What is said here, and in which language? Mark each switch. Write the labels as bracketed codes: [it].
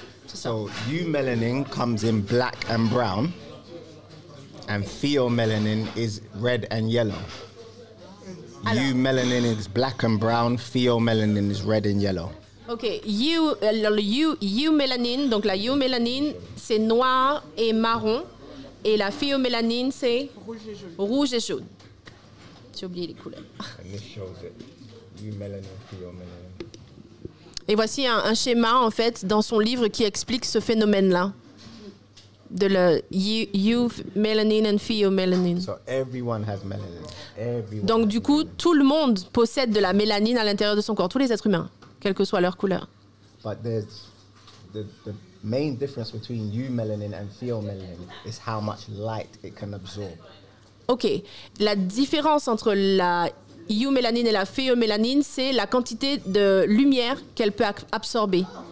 [en] So eumelanin comes in black and brown, and pheomelanin is red and yellow. [fr] Alors, [en] eumelanin is black and brown, pheomelanin is red and yellow. [fr] Okay, eumelanin, donc la eumelanin, c'est noir et marron, et la pheomelanin, c'est rouge et jaune. J'ai oublié les couleurs. [en] And this shows it, eumelanin, pheomelanin. [fr] Et voici un schéma, en fait, dans son livre qui explique ce phénomène-là. De la eumelanin and pheomelanin. [en] So everyone has melanin. Everyone. [fr] Donc, du coup, tout le monde possède de la mélanine à l'intérieur de son corps, tous les êtres humains, quelle que soit leur couleur. [en] But there's the main difference between eumelanin and pheomelanin is how much light it can absorb. OK. [fr] La différence entre la eumélanine et la pheomélanine, c'est la quantité de lumière qu'elle peut absorber.